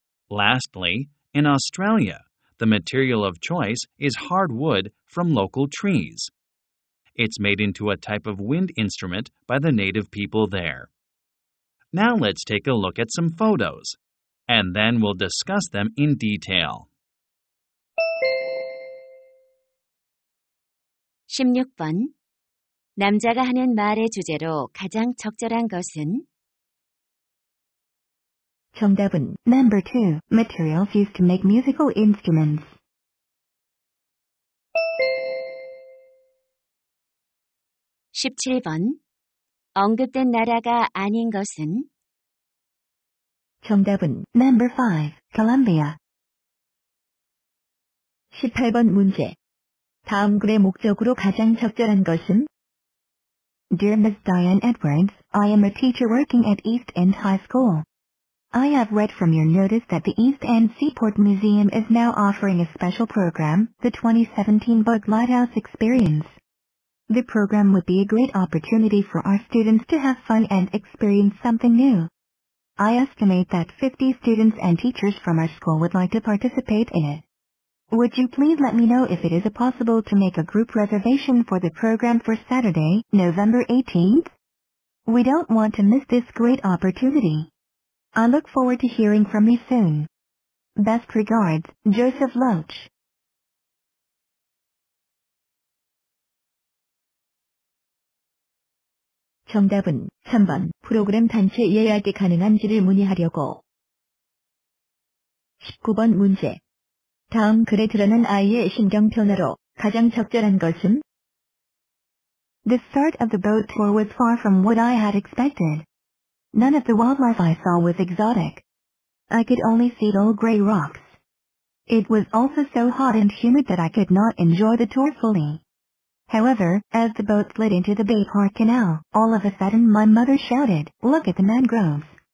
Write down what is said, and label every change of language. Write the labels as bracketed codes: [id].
[en] Lastly, in Australia, the material of choice is hard wood from local trees. It's made into a type of wind instrument by the native people there. Now let's take a look at some photos, and then we'll discuss them in detail. [ko] 16번 남자가 하는 말의 주제로 가장 적절한 것은? 정답은 [en] Number 2. Materials used to make musical instruments. [ko] 17번 언급된 나라가 아닌 것은? 정답은 [en] Number 5. Colombia. [ko] 18번 문제 다음 글의 목적으로 가장 적절한 것은? [en] Dear Ms. Diane Edwards, I am a teacher working at East End High School. I have read from your notice that the East End Seaport Museum is now offering a special program, the 2017 Bug Lighthouse Experience. The program would be a great opportunity for our students to have fun and experience something new. I estimate that 50 students and teachers from our school would like to participate in it. Would you please let me know if it is possible to make a group reservation for the program for Saturday, November 18th? We don't want to miss this great opportunity. I look forward to hearing from you soon. Best regards, Joseph Loach. [ko] 정답은 3번 프로그램 단체 예약이 가능한지를 문의하려고. 19번 문제 다음 글에 드러난 아이의 신경 변화로 가장 적절한 것은? [en] The start of the boat tour was far from what I had expected. None of the wildlife I saw was exotic. I could only see dull gray rocks. It was also so hot and humid that I could not enjoy the tour fully. However, as the boat slid into the Bay Park Canal, all of a sudden my mother shouted, "Look at the mangroves!"